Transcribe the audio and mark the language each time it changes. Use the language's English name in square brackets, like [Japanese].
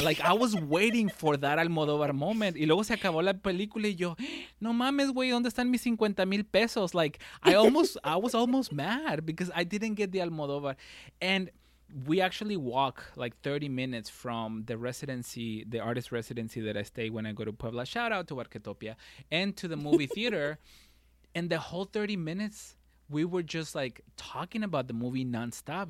[English] Like, I was waiting for that Almodóvar moment. [Spanish] Y luego se acabó la película y yo, no mames, güey, ¿dónde están mis 50 mil pesos? [English] Like, I was almost mad because I didn't get the Almodóvar. And we actually walk like 30 minutes from the residency, the artist residency that I stay when I go to Puebla. Shout out to Arquetopia and to the movie theater. And the whole 30 minutes, we were just like talking about the movie nonstop.